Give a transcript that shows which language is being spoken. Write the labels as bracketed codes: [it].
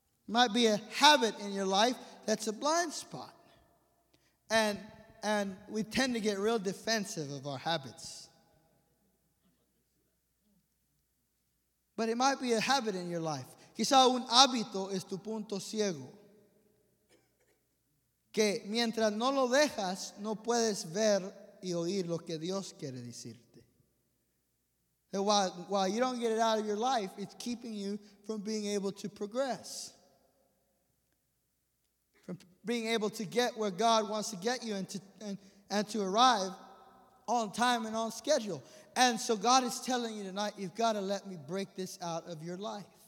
[en] Might be a habit in your life that's a blind spot. And we tend to get real defensive of our habits. But it might be a habit in your life. [es] Quizá un hábito es tu punto ciego. Que mientras no lo dejas, no puedes ver y oír lo que Dios quiere decirte. [en] And while you don't get it out of your life, it's keeping you from being able to progress, being able to get where God wants to get you and to arrive on time and on schedule. And so God is telling you tonight, you've got to let me break this out of your life.